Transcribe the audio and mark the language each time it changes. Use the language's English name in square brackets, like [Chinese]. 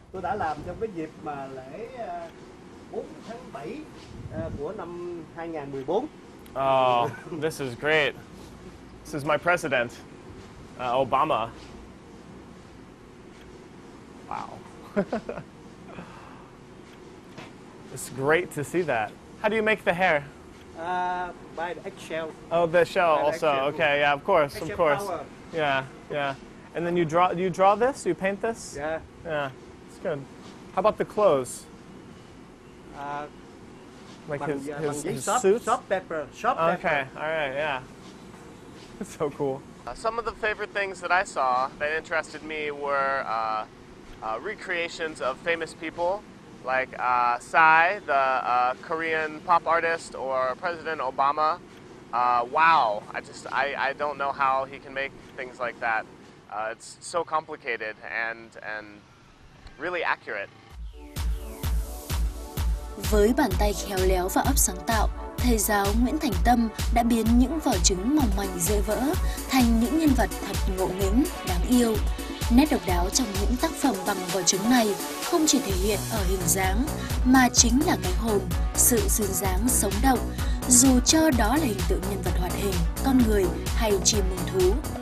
[Vietnamese] Tôi đã làm trong cái dịp mà lễ 4 tháng 7 của năm 2014. [English] Oh, this is great. This is my president, Obama. Wow. It's great to see that. How do you make the hair? By the eggshell. Oh, the shell by also. The okay, yeah, of course, eggshell of course. Power. Yeah, yeah. And then you draw this? You paint this? Yeah. Yeah, it's good. How about the clothes? Like [Vietnamese] bằng, [English] his suit? Shop pepper. Shop okay. pepper. Okay, all right, yeah. It's so cool. Some of the favorite things that I saw that interested me were recreations of famous people, like Psy, the Korean pop artist, or President Obama. Wow, I don't know how he can make things like that. It's so complicated and really accurate. [Vietnamese] Với bàn tay khéo léo và óc sáng tạo, thầy giáo Nguyễn Thành Tâm đã biến những vỏ trứng mỏng manh dễ vỡ thành những nhân vật thật ngộ nghĩnh, đáng yêu. Nét độc đáo trong những tác phẩm bằng vỏ trứng này không chỉ thể hiện ở hình dáng, mà chính là cái hồn, sự duyên dáng sống động, dù cho đó là hình tượng nhân vật hoạt hình, con người hay chim muông thú.